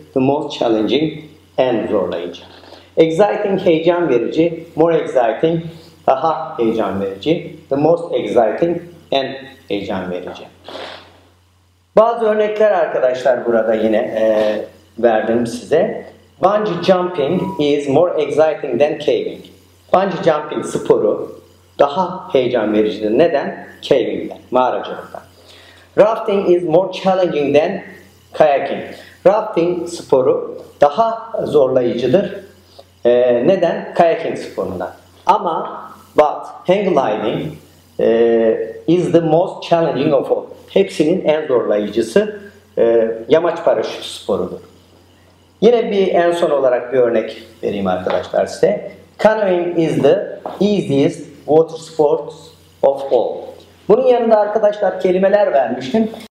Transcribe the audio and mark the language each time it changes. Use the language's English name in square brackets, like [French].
[English] The most challenging, [Turkish] en zorlayıcı. [English] Exciting, [Turkish] heyecan verici. [English] More exciting, [Turkish] daha heyecan verici. [English] The most exciting, [Turkish] en heyecan verici. Bazı örnekler arkadaşlar burada yine verdim size. [English] Bungee jumping is more exciting than caving. [Turkish] Bungee jumping sporu daha heyecan vericidir. Neden? Caving'den, mağaracılıktan. [English] Rafting is more challenging than kayaking. [Turkish] Rafting sporu daha zorlayıcıdır. Neden? Kayaking sporundan. [English] Ama but hang gliding is the most challenging of all. [Turkish] Hepsinin en zorlayıcısı yamaç paraşütü sporudur. Yine bir en son olarak bir örnek vereyim arkadaşlar size. [English] Canoeing is the easiest water sports of all. [Turkish] Bunun yanında arkadaşlar kelimeler vermiştim.